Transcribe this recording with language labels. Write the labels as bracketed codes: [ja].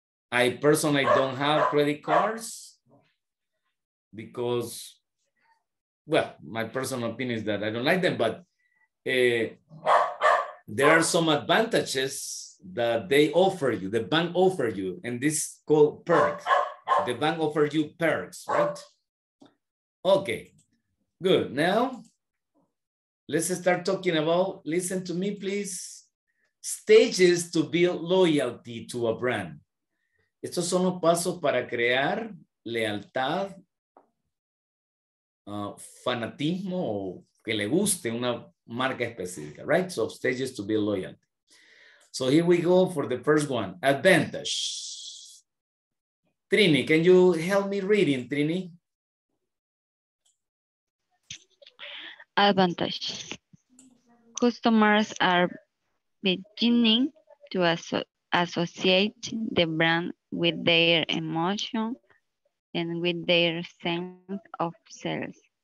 [en] I personally don't have credit cards because, well, my personal opinion is that I don't like them, but there are some advantages that they offer you, the bank offer you, and this is called perks. The bank offers you perks, right? Okay, good. Now, let's start talking about, listen to me, please. Stages to build loyalty to a brand. [es] Estos son los pasos para crear lealtad, fanatismo, o que le guste una marca específica, right? [en] So stages to build loyalty. So here we go for the first one, advantage. Trini, can you help me reading, Trini? Advantage. Customers are beginning to associate the brand with their emotion and with their sense of sales.